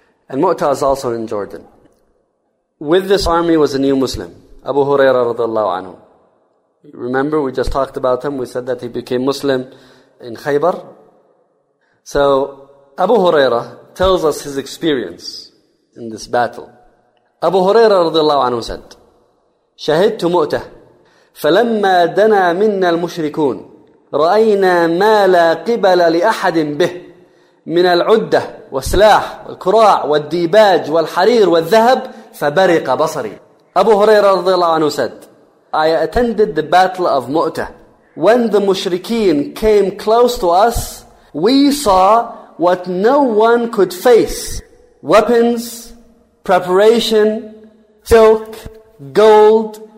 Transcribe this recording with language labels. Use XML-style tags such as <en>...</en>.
<en>And Mu'tah is also in Jordan. With this army was a new Muslim, Abu Hurairah radiallahu anhu. Remember, we just talked about him. We said that he became Muslim in Khaybar. So Abu Hurairah tells us his experience in this battle. Abu Hurairah radiallahu anhu said,</en> <ar>شَهِدْتُ مُؤْتَهْ فَلَمَّا دَنَا مِنَّا الْمُشْرِكُونَ رَأَيْنَا مَا لَا قِبَلَ لِأَحَدٍ بِهِ مِنَ الْعُدَّةِ وَالسَّلَاحِ وَالْكُرَاعِ وَالْدِيبَاجِ وَالْحَرِيرِ وَالذَّهَبِ فَبَرِقَ بَصَرِي.</ar> <en>Abu Hurairah radiallahu anhu said, I attended the battle of Mu'tah. When the mushrikeen came close to us, we saw what no one could face. Weapons, preparation, silk, gold.</en>